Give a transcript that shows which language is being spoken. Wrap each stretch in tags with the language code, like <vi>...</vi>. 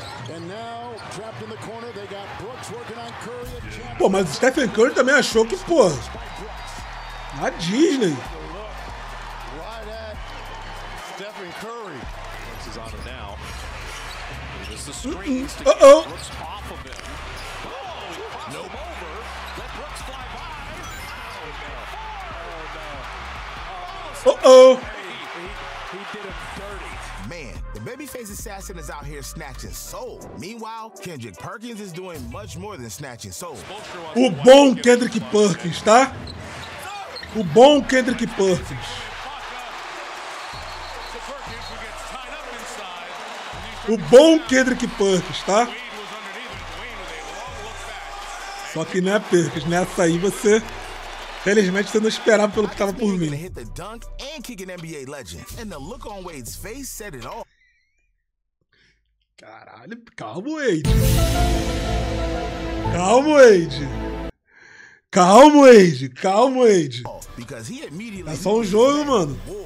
<en>And now, trapped in the corner, they got Brooks working on Curry.</en> <pt>Pô, mas Stephen Curry também achou que, pô, na Disney.</pt> <en>Right at Stephen Curry. is on him now. Here's the screen. Brooks off of him. Let Brooks fly by. He did him dirty. Man, the babyface assassin is out here snatching souls. Meanwhile, Kendrick Perkins is doing much more than snatching souls.</en> <pt>O bom Kendrick Perkins, tá? O bom Kendrick Perkins. O bom Kendrick Perkins, tá? Só que não é Perkins, nessa aí você... Felizmente, você não esperava pelo que tava por vir.</pt> <en>Hit the dunk and kick an NBA legend. And the look on Wade's face said it all.</en> <pt>Caralho, calma, Wade. Calma, Wade. Calma, Wade. Calma, Wade.</pt> <en>Because he immediately...</en> <pt>É só um jogo, mano.</pt>